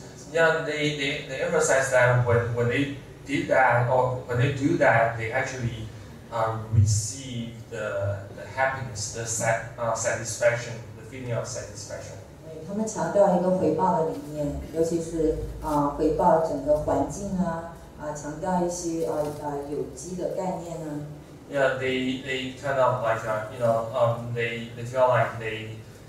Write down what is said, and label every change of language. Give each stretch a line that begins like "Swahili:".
English: Yeah, they emphasize that when they did that or when they do that, they actually receive the happiness, the satisfaction, the feeling of satisfaction.
Chinese: 他们强调一个回报的理念，尤其是回报整个环境强调一些有机的概念呢。
English: Yeah, they kind of like they feel like they.